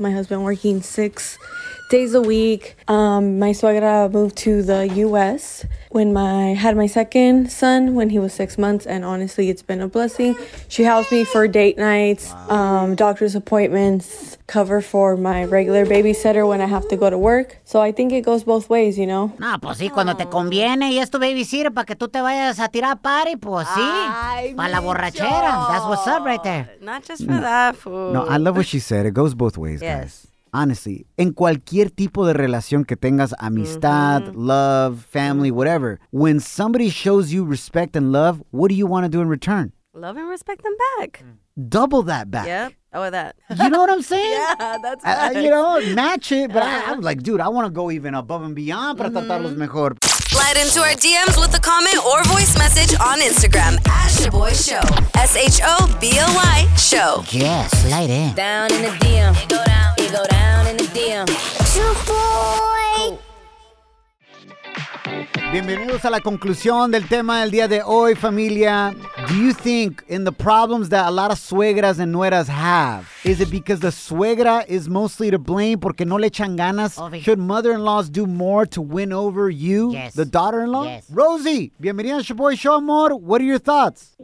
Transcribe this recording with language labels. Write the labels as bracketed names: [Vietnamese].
[English] My husband working 6 days a week. My suegra moved to the U.S. when I had my second son when he was 6 months, and honestly, it's been a blessing. She helps me for date nights, doctor's appointments, cover for my regular babysitter when I have to go to work. So I think it goes both ways, you know? [Spanish] No, pues sí, cuando te conviene y es tu babysitter para que tú te vayas a tirar party, pues sí. Para la borrachera. [English] That's what's up right there. Not just for that, fool. No, I love what she said. It goes both ways, yes. Guys. Honestly, [Spanish] en cualquier tipo de relación que tengas, amistad, [English] love, family, whatever, when somebody shows you respect and love, what do you want to do in return? Love and respect them back. Double that back. Yep. Oh, that. You know what I'm saying? Yeah, that's right. You know, match it. But I'm like, dude, I want to go even above and beyond [Spanish] para tratarlos mejor. [English] Slide into our DMs with a comment or voice message on Instagram at Shaboy Show. S-H-O-B-O-Y Show. Yeah, slide in. Down in the DM. You go down in the DM. Shaboy. [Spanish] Bienvenidos a la conclusión del tema del día de hoy, familia. [English] Do you think in the problems that a lot of suegras and nueras have, is it because the suegra is mostly to blame [Spanish] porque no le echan ganas? Obvio. [English] Should mother-in-laws do more to win over you, yes, the daughter-in-law? Yes. Rosie, [Spanish] bienvenida a Shaboy Show, amor. [English] What are your thoughts?